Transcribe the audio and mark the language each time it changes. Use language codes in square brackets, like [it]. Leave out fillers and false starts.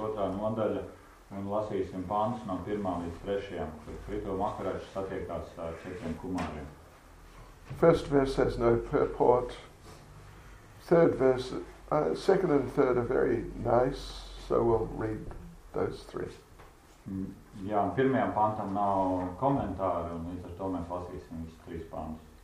[lv] Nodaļa, un lasīsim pāns no 1. līdz 3. kur Prithu Maharaja satiekās ar četriem kumāriem. [en] First verse has no purport. Second and third are very nice, so we'll read those three. [lv] Jā, un pirmajam pantam nav komentāru, un līdz ar to mēs lasīsim visus trīs pantus.